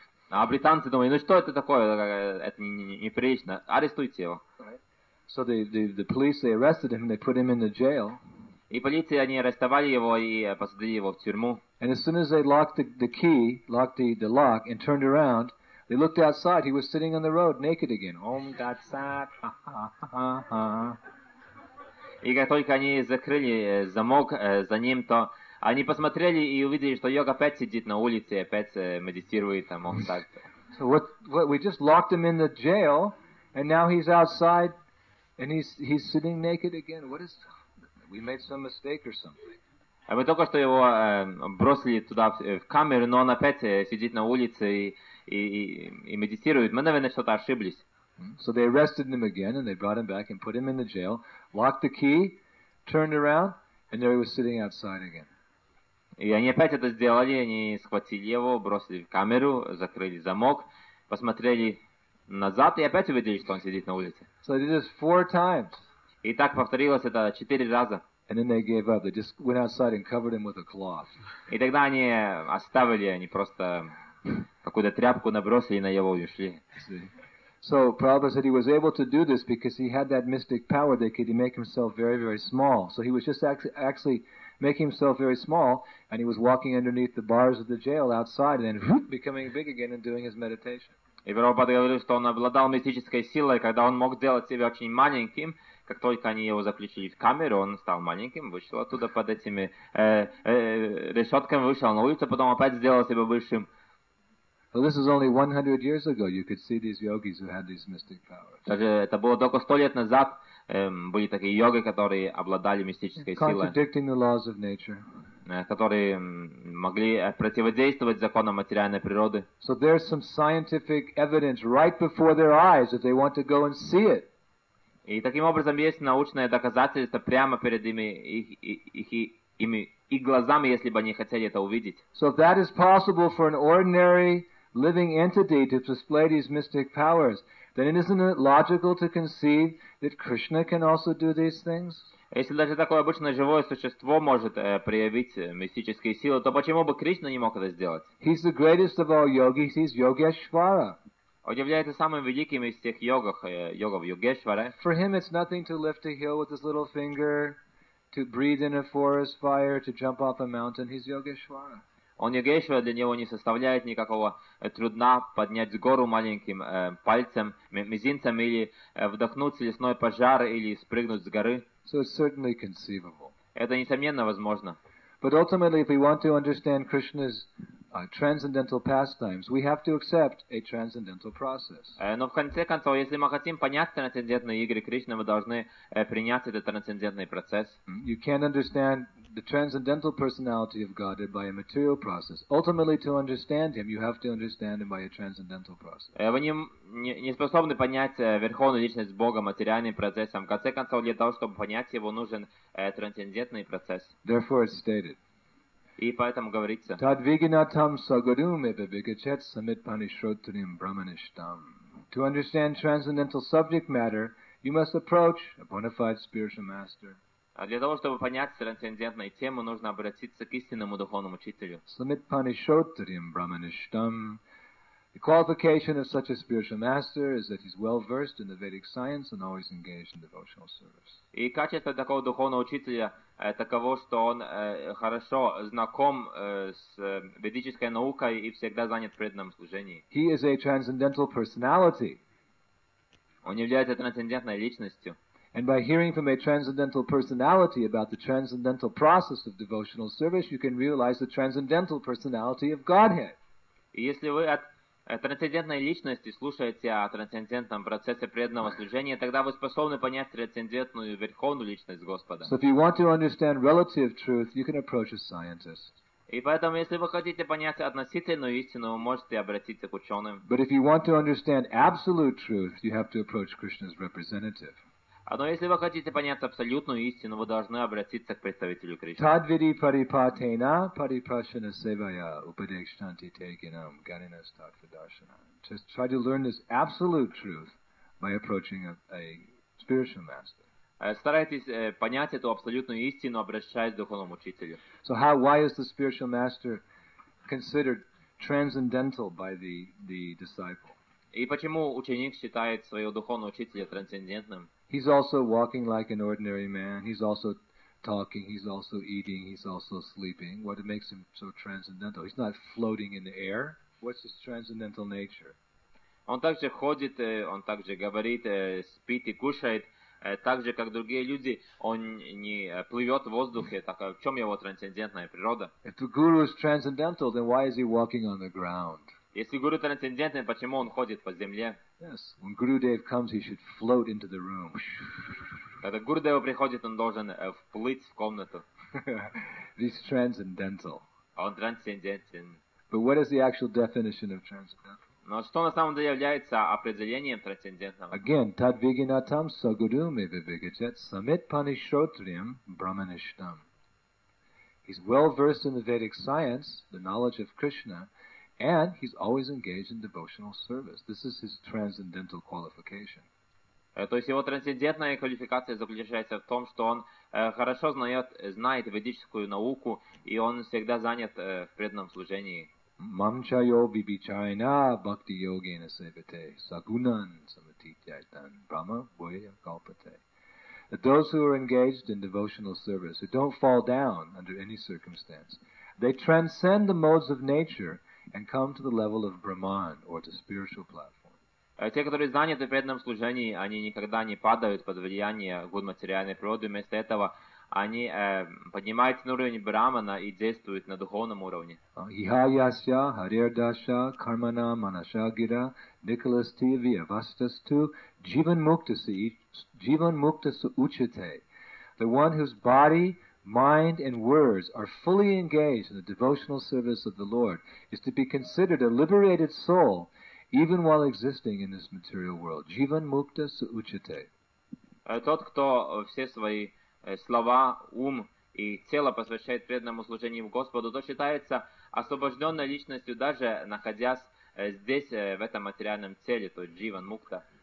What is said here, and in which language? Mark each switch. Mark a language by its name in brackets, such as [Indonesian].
[Russian] А британцы думают, ну что это такое? Это неприлично. Арестуйте его. [English] So the police, they arrested him, they put him in the jail. [Russian] И полиция, они арестовали его и посадили его в тюрьму. [English] And as soon as they locked the key, locked the lock and turned around, they looked outside. He was sitting on the road, naked again. [Sanskrit] Om Tat Sat. [Russian] И как только они закрыли замок за ним, то они посмотрели и увидели, что йог опять сидит на улице, опять медитирует там, он так. [English] So what we just locked him in the jail, and now he's outside, and he's sitting naked again. What is? We made some mistake or something. [Russian] А мы только что его бросили туда в камеру, но он опять сидит на улице и медитирует. Мы, наверное, что-то ошиблись. [English] So they arrested him again, and they brought him back and put him in the jail, locked the key, turned around, and there he was sitting outside again. [Russian] И они опять это сделали, они схватили его, бросили в камеру, закрыли замок, посмотрели назад и опять увидели, что он сидит на улице. [English] So they did this four times. [Russian] И так повторилось это четыре раза. [English] And then they gave up. They just went outside and covered him with a cloth. [Russian] И тогда они оставили, они просто какую-то тряпку набросили на его и ушли. [English] So Prabhupada said he was able to do this because he had that mystic power that could make himself very, very small. So he was just actually making himself very small, and he was walking underneath the bars of the jail outside, and then becoming big again and doing his meditation. [Russian] И Прабхупада говорил, что он обладал мистической силой, когда он мог делать себя очень маленьким, как только они его заключили в камеру, он стал маленьким, вышел оттуда под этими решетками, вышел на улицу, потом опять сделал себя большим. [English] Well, this is only 100 years ago. You could see these yogis who had these mystic powers. [Russian] Даже это было только 100 лет назад. Были такие йоги, которые обладали мистической [English] contradicting [Russian] силой, [English] the laws of nature. [Russian] Которые могли противодействовать законам материальной природы. [English] So there's some scientific evidence right before their eyes if they want to go and see it. [Russian] И таким образом есть научное доказательство прямо перед ими глазами, если бы они хотели это увидеть. [English] So if that is possible for an ordinary living entity to display these mystic powers, then isn't it logical to conceive that Krishna can also do these things? [Russian] Если даже такое обычное живое существо может проявить мистические силы, то почему бы Кришна не мог это сделать? [English] He's the greatest of all yogis. He's Yogeshwara. [Russian] Он является самым великим из всех йогов Йогешвара. [English] For him, it's nothing to lift a hill with his little finger, to breathe in a forest fire, to jump off a mountain. He's Yogeshwara. [Russian] Он Йогешвара, для него не составляет никакого трудна поднять с гору маленьким пальцем, мизинцем, или вдохнуть лесной пожар, или спрыгнуть с горы. [English] So it's certainly conceivable. [Russian] Это несомненно возможно. [English] But ultimately, if we want to understand Krishna's transcendental pastimes, we have to accept a transcendental process. [Russian] Но в конце концов, если мы хотим понять трансцендентные игры Кришны, мы должны принять этот трансцендентный процесс. [English] You can't understand the transcendental personality of God by a material process. Ultimately, to understand him, you have to understand him by a transcendental process. [Russian] Вы не способны понять верховную личность Бога материальным процессом. В конце концов, для того, чтобы понять его, нужен трансцендентный процесс. [English] Therefore, it's stated. [Russian] И поэтому говорится. [Sanskrit] Tadviginatam sagarum eva vigachet samitpani shrotrim brahmanishtam. [English] To understand transcendental subject matter, you must approach a bona fide spiritual master. [Russian] А для того, чтобы понять трансцендентную тему, нужно обратиться к истинному духовному учителю. [Sanskrit] Самитпани шотрим брахмаништам. [English] The qualification of such a spiritual master is that he's well versed in the Vedic science and always engaged in devotional service. [Russian] И качество такого духовного учителя таково, что он хорошо знаком с ведической наукой и всегда занят преданным служением. [English] He is a transcendental personality. [Russian] Он является трансцендентной личностью. [English] And by hearing from a transcendental personality about the transcendental process of devotional service, you can realize the transcendental personality of Godhead. [Russian] И если вы от трансцендентной личности слушаете о трансцендентном процессе преданного служения, тогда вы способны понять трансцендентную верховную личность Господа. [English] So if you want to understand relative truth, you can approach a scientist. [Russian] И поэтому, если вы хотите понять относительную истину, вы можете обратиться к ученым. [English] But if you want to understand absolute truth, you have to approach Krishna's representative. [Russian] Но если вы хотите понять абсолютную истину, вы должны обратиться к представителю Кришны. [Sanskrit] Тадвиди парипатена парипрашана севая упадекшанти тегинам ганинастакфадашана. [English] Just try to learn this absolute truth by approaching a spiritual master. [Russian] Старайтесь понять эту абсолютную истину, обращаясь к духовному учителю. [English] So how, why is the spiritual master considered transcendental by the disciple? [Russian] И почему ученик считает своего духовного учителя трансцендентным? [English] He's also walking like an ordinary man. He's also talking. He's also eating. He's also sleeping. What makes him so transcendental? He's not floating in the air. What's his transcendental nature? [Russian] Он также ходит, он также говорит, спит и кушает, так же, как другие люди. Он не плывет в воздухе. Так в чем его трансцендентная природа? [English] If the guru is transcendental, then why is he walking on the ground? [Russian] Если гуру трансцендентный, почему он ходит по земле? [English] Yes, when Gurudev comes, he should float into the room. [Russian] Когда Гурудев приходит, он должен вплыть в комнату. [English] He's transcendental. [Russian] Он трансцендентен. [English] But what is the actual definition of transcendental? [Russian] Но что на самом деле является определением трансцендентного? [English] Again, [Sanskrit] tadviginatam sagurum evivigachet samit panishrotriyam brahmanishtam. [English] He's well versed in the Vedic science, the knowledge of Krishna, and he's always engaged in devotional service. This is his transcendental qualification. [Russian] То есть его трансцендентная квалификация заключается в том, что он хорошо знает ведическую науку, и он всегда занят в преданном служении. [Sanskrit] Mamchayo vibichayana bhakti yogena sevate sagunan samatityaitan brahma vaya kalpate. [English] That those who are engaged in devotional service, who don't fall down under any circumstance, they transcend the modes of nature and come to the level of Brahman, or the spiritual platform. [Russian] Те, которые заняты в преданном служении, они никогда не падают под влияние гун материальной природы. Вместо этого они поднимаются на уровень Брахмана и действуют на духовном уровне. [Sanskrit] Ихаясья, Харирдаша, Кармана, Манашагира, Николасти, Виавастасту, Дживан Муктаса Учите. [English] The one whose body, mind and words are fully engaged in the devotional service of the Lord is to be considered a liberated soul even while existing in this material world. [Sanskrit] Jivan mukta suuchite. [Russian] Тот, кто все свои слова, ум и тело посвящает преданному служению Господу, то считается освобожденной личностью, даже находясь здесь, в этом материальном теле, то [Sanskrit] Jivan mukta.